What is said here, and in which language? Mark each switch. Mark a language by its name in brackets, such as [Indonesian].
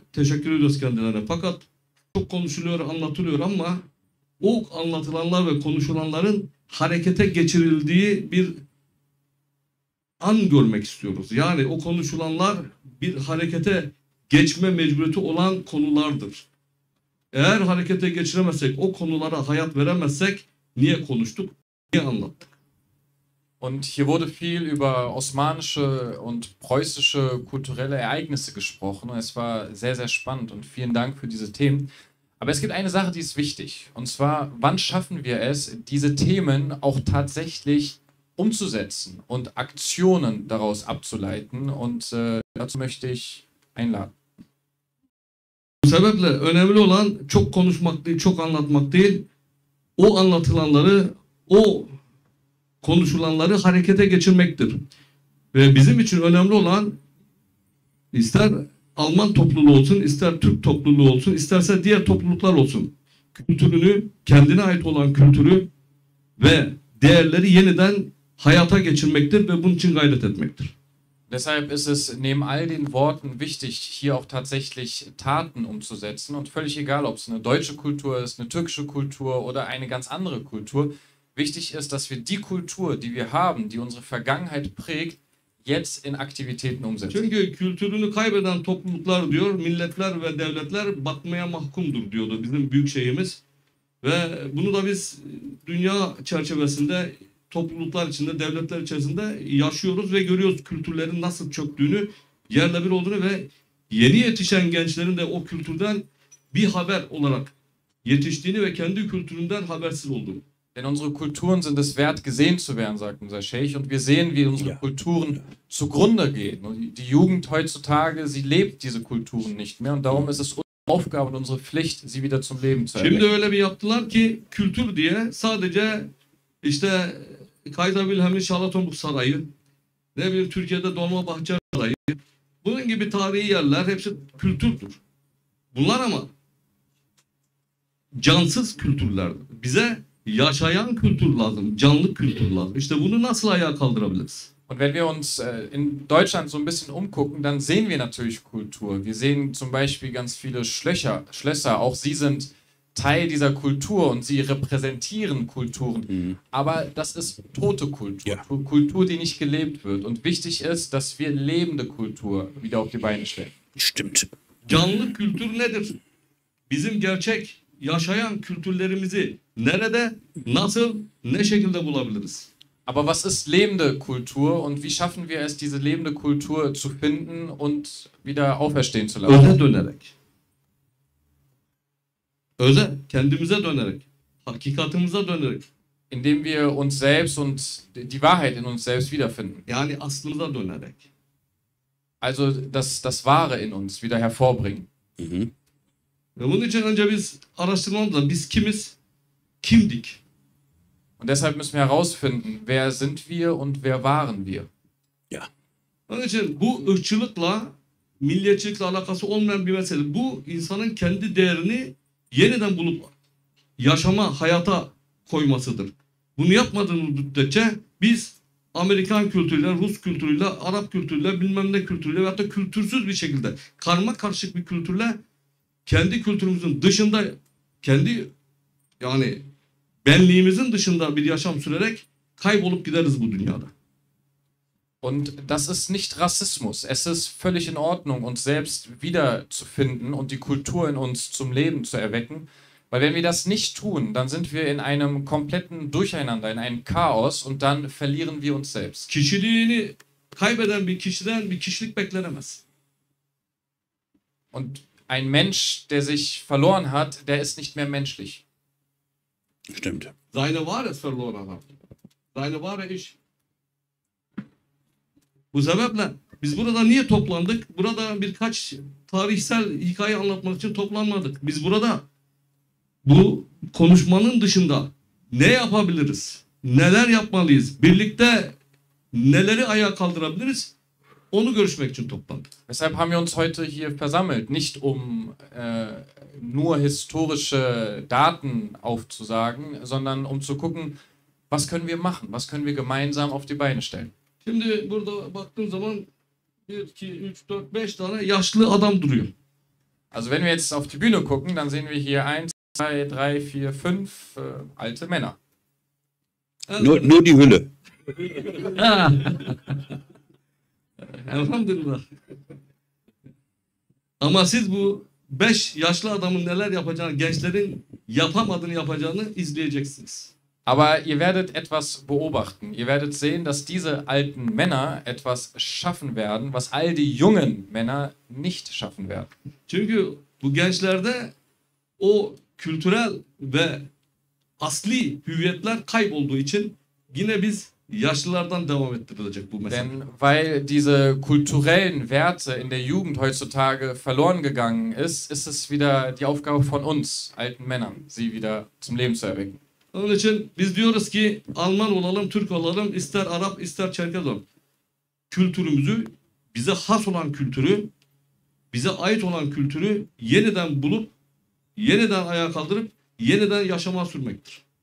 [Turkish] Teşekkür ediyoruz kendilerine. Fakat çok konuşuluyor, anlatılıyor ama o anlatılanlar ve konuşulanların harekete geçirildiği bir an görmek istiyoruz. Yani o konuşulanlar bir harekete geçme mecburiyeti olan konulardır. Eğer harekete geçiremezsek, o konulara hayat veremezsek niye konuştuk, niye anlattık? [German] Und hier wurde viel über osmanische und preußische kulturelle Ereignisse gesprochen. Es war sehr, sehr spannend und vielen Dank für diese Themen. Aber es gibt eine Sache, die ist wichtig. Und zwar, wann schaffen wir es, diese Themen auch tatsächlich umzusetzen und Aktionen daraus abzuleiten? Und dazu möchte ich einladen. [Turkish] Bu sebeple önemli olan çok konuşmak değil, çok anlatmak değil, o anlatılanları, o konuşulanları harekete geçirmektir. Ve bizim için önemli olan ister Alman topluluğu olsun, ister Türk topluluğu olsun, isterse diğer topluluklar olsun. Kültürünü, kendine ait olan kültürü ve değerleri yeniden hayata geçirmektir ve bunun için gayret etmektir. [German] Deshalb ist es neben all den Worten wichtig, hier auch tatsächlich Taten umzusetzen. Und völlig egal, ob es eine deutsche Kultur ist, eine türkische Kultur oder eine ganz andere Kultur. Wichtig ist, dass wir die Kultur, die wir haben, die unsere Vergangenheit prägt, jetzt in Aktivitäten umsetzen. [Turkish] Çünkü kültürünü kaybeden topluluklar diyor, milletler ve devletler batmaya mahkumdur diyordu bizim büyük şeyimiz. Ve bunu da biz dünya çerçevesinde, topluluklar içinde, devletler içerisinde yaşıyoruz ve görüyoruz kültürlerin nasıl çöktüğünü, yerle bir olduğunu ve yeni yetişen gençlerin de o kültürden bir haber olarak yetiştiğini ve kendi kültüründen habersiz olduğunu. [German] Denn unsere Kulturen sind es wert, gesehen zu werden, sagt unser Scheich. Und wir sehen, wie unsere Kulturen zugrunde gehen. Und die Jugend heutzutage, sie lebt diese Kulturen nicht mehr. Und darum ist es unsere Aufgabe und unsere Pflicht, sie wieder zum Leben zu erwecken. [Turkish] Şimdi öyle bir yaptılar ki, Kültür diye sadece işte Kaiser Wilhelm'in Şarlatanburg Sarayı, ne bileyim Türkiye'de Dolmabahçe Sarayı, bunun gibi tarihi yerler hepsi kültürdür. Bunlar ama cansız kültürler. Bize yaşayan kültür lazım, canlı kültür lazım. İşte bunu nasıl ayağa kaldırabiliriz? [German] Und wenn wir uns in Deutschland so ein bisschen umgucken, dann sehen wir natürlich Kultur. Wir sehen zum Beispiel ganz viele Schlösser. Auch sie sind Teil dieser Kultur und sie repräsentieren Kulturen. Mhm. Aber das ist tote Kultur. Ja. Kultur, die nicht gelebt wird. Und wichtig ist, dass wir lebende Kultur wieder auf die Beine stellen. Stimmt. [Turkish] Canlı kültür nedir? Bizim gerçek yaşayan kültürlerimizi nerede, nasıl, ne şekilde bulabiliriz? [German] Aber was ist lebende Kultur und wie schaffen wir es, diese lebende Kultur zu finden und wieder auferstehen zu lassen? [Turkish] Öze dönerek. Öze, kendimize dönerek. Hakikatimize dönerek. [German] Indem wir uns selbst und die Wahrheit in uns selbst wiederfinden. [Turkish] Yani aslımıza dönerek. [German] Also das Wahre in uns wieder hervorbringen. [Turkish] Ve bunun için önce biz araştırmamız lazım. Biz kimiz? Kimdik? [German] Und deshalb müssen wir herausfinden, wer sind wir und wer waren wir. Ja. [Turkish] Onun için bu ırkçılıkla, milliyetçilikle alakası olmayan bir mesele. Bu insanın kendi değerini yeniden bulup yaşama, hayata koymasıdır. Bunu yapmadığımız müddetçe biz Amerikan kültürüyle, Rus kültürüyle, Arap kültürüyle, bilmem ne kültürüyle veyahut da kültürsüz bir şekilde, karma karışık bir kültürle kendi kültürümüzün dışında, kendi yani benliğimizin dışında bir yaşam sürerek kaybolup gideriz bu dünyada. [German] Und das ist nicht Rassismus. Es ist völlig in Ordnung, uns selbst wiederzufinden und die Kultur in uns zum Leben zu erwecken. Weil wenn wir das nicht tun, dann sind wir in einem kompletten Durcheinander, in einem Chaos und dann verlieren wir uns selbst. [Turkish] Kişiliğini kaybeden bir kişiden bir kişilik beklenemez. [German] Und ein Mensch, der sich verloren hat, der ist nicht mehr menschlich. Stimmt. Seine Ware ist verloren. Seine Ware ist. [Turkish] Bu sebeple biz burada niye toplandık? Burada birkaç tarihsel hikaye anlatmak için toplanmadık. Biz burada bu konuşmanın dışında ne yapabiliriz? Neler yapmalıyız? Birlikte neleri ayağa kaldırabiliriz? Onu görüşmek için toplandık. [German] Weshalb haben wir uns heute hier versammelt? Nicht um nur historische Daten aufzusagen, sondern um zu gucken, was können wir machen? Was können wir gemeinsam auf die Beine stellen? [Turkish] Şimdi burada baktığım zaman 1, 2, 3, 4, 5 tane yaşlı adam duruyor. [German] Also wenn wir jetzt auf die Bühne gucken, dann sehen wir hier 1, 2, 3, 4, 5 alte Männer. Nur die Hülle. [Turkish] Elhamdülillah. Ama siz bu 5 yaşlı adamın neler yapacağını, gençlerin yapamadığını yapacağını izleyeceksiniz. [German] Aber ihr werdet etwas beobachten. Ihr werdet sehen, dass diese alten Männer etwas schaffen werden, was all die jungen Männer nicht schaffen werden. [Turkish] Çünkü bu gençlerde o kültürel ve asli hüviyetler kaybolduğu için yine biz yaşlılardan devam ettirilecek bu mesele. [German] Denn weil diese kulturellen Werte in der Jugend heutzutage verloren gegangen ist es wieder die Aufgabe von uns alten Männern, sie wieder zum Leben zu erwecken. [Turkish] Onun için biz diyoruz ki Alman olalım, Türk olalım, ister Arap, ister Çerkez olalım. Kültürümüzü, bize has olan kültürü, bize ait olan kültürü yeniden bulup, yeniden ayağa kaldırıp, yeniden yaşama sürmektir.